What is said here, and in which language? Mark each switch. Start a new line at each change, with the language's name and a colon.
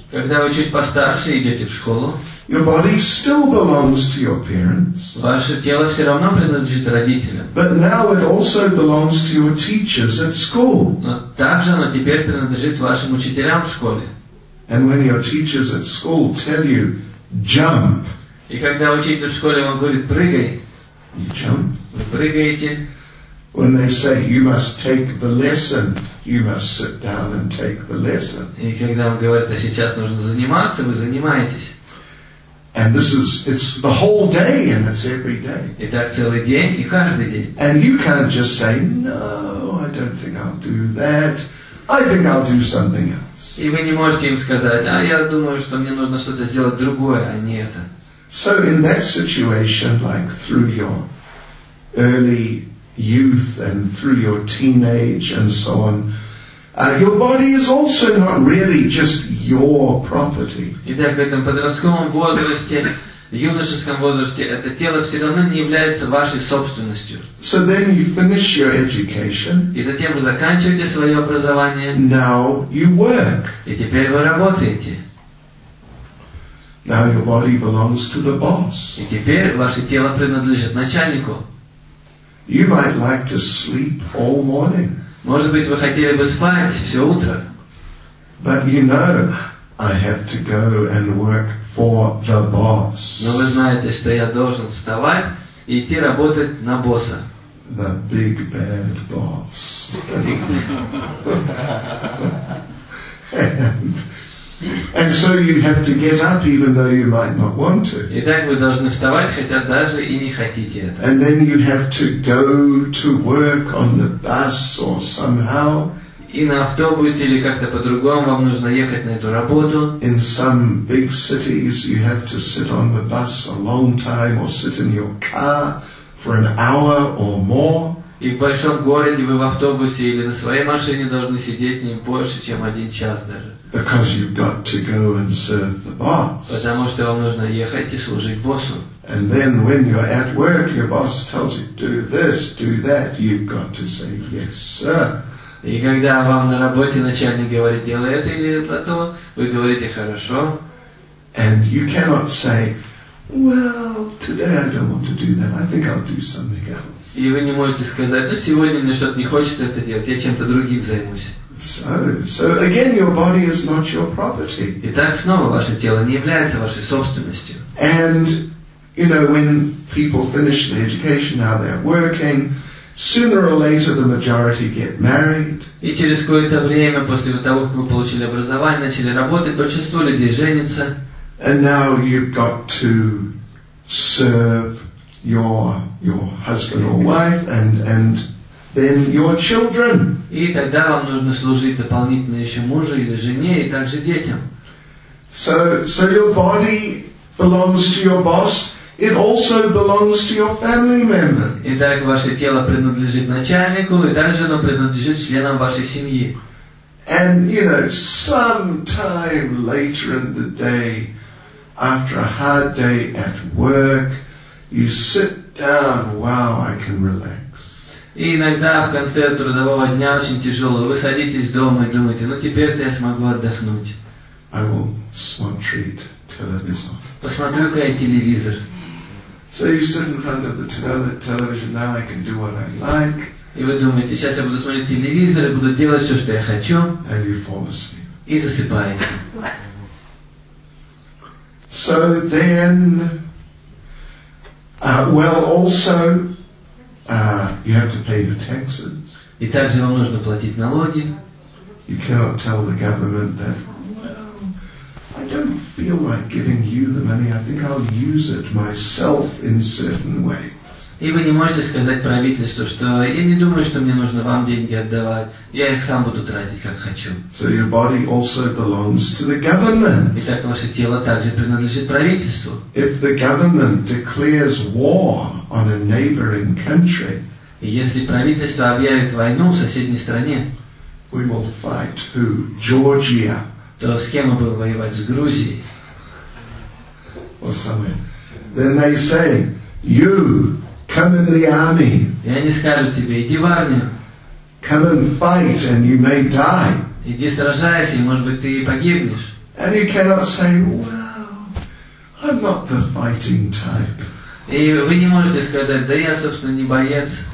Russian: Когда вы чуть постарше идете в школу,
English: your body still belongs to your parents.
Russian: Ваше тело все равно принадлежит родителям.
English: But now it also belongs to your teachers at school.
Russian: Но также оно теперь принадлежит вашим учителям в школе.
English: And when your teachers at school tell you, jump.
Russian: И когда учитель в школе вам говорит, прыгай.
English: You jump.
Russian: Вы прыгаете.
English: When they say, you must take the lesson, you must sit down and take the lesson.
Russian: И когда вам говорят, а сейчас нужно заниматься, вы занимаетесь.
English: And this is, it's the whole day and it's every day.
Russian: И так целый день и каждый день.
English: And you can't just say, no, I don't think I'll do that. I think I'll do something else.
Russian: И вы не можете им сказать, а я думаю, что мне нужно что-то сделать другое, а не это.
English: So in that situation, like through your early youth and through your teenage and so on, your body is also not really just your property.
Russian: Итак, в этом подростковом возрасте, юношеском возрасте, это тело все равно не является вашей собственностью.
English: So then you finish your education.
Russian: И затем вы заканчиваете свое образование.
English: Now you work.
Russian: И теперь вы работаете.
English: Now your body belongs to the boss.
Russian: И теперь ваше тело принадлежит начальнику.
English: You might like to sleep all morning.
Russian: Может быть, вы хотели бы спать все утро.
English: But you know, I have to go and work for the boss.
Russian: Но вы знаете, что я должен вставать и идти работать на босса.
English: The big bad boss. And so you have to get up even though you might not want to. And then you have to go to work on the bus or somehow.
Russian: И на автобусе или как-то по-другому вам нужно ехать на эту работу.
English: In some big cities you have to sit on the bus a long time or sit in your car for an hour or more.
Russian: И в большом городе вы в автобусе или на своей машине должны сидеть не больше, чем один час даже.
English: Because you've got to go and serve the boss.
Russian: Потому что вам нужно ехать и служить боссу.
English: And then when you're at work, your boss tells you, do this, do that. You've got to say, yes, sir.
Russian: И когда вам на работе начальник говорит, делай это или это, вы говорите, хорошо.
English: And you cannot say, well, today I don't want to do that. I think I'll do something else.
Russian: И вы не можете сказать, ну сегодня мне что-то не хочется это делать, я чем-то другим займусь.
English: So again, your body is not your property.
Russian: Итак, снова ваше тело не является вашей собственностью.
English: And, you know, when people finish their education, now they're working, sooner or later the majority get married.
Russian: И через какое-то время после того, как вы получили образование, начали работать, большинство людей женится.
English: And now you've got to serve your husband or wife and then your children.
Russian: И тогда вам нужно служить дополнительно еще мужу или жене и также детям.
English: So your body belongs to your boss. It also belongs to your family member.
Russian: Итак, ваше тело принадлежит начальнику, и также оно принадлежит членам вашей семьи.
English: And you know, sometime later in the day, after a hard day at work, you sit down. Wow, I can relax.
Russian: И иногда в конце трудового дня очень тяжело. Вы садитесь дома и думаете: ну теперь-то я смогу отдохнуть.
English: I will watch television.
Russian: Посмотрю-ка я телевизор.
English: So you sit in front of the television, now I can do what I like.
Russian: И вы думаете, сейчас я буду смотреть телевизор и буду делать все, что я хочу.
English: And you fall asleep.
Russian: И засыпаете.
English: So then, you have to pay your taxes.
Russian: И также вам нужно платить налоги.
English: You cannot tell the government that, I don't feel like giving you the money. I think I'll use it myself in certain ways.
Russian: И вы не можете сказать правительству, что я не думаю, что мне нужно вам деньги отдавать. Я их сам буду тратить, как хочу.
English: So your body also belongs to the government.
Russian: Итак, ваше тело также принадлежит правительству.
English: If the government declares war on a neighboring country,
Russian: если правительство объявит войну в соседней стране,
English: we will fight who? Georgia.
Russian: То с кем мы будем воевать? С Грузией.
English: Or somewhere. Then they say, you, come in the army.
Russian: И они скажут тебе, иди в армию.
English: Come and fight and you may die.
Russian: Иди сражайся, и может быть ты и погибнешь.
English: And you cannot say, well, I'm not the fighting type.
Russian: И вы не можете сказать, да я, собственно, не боец.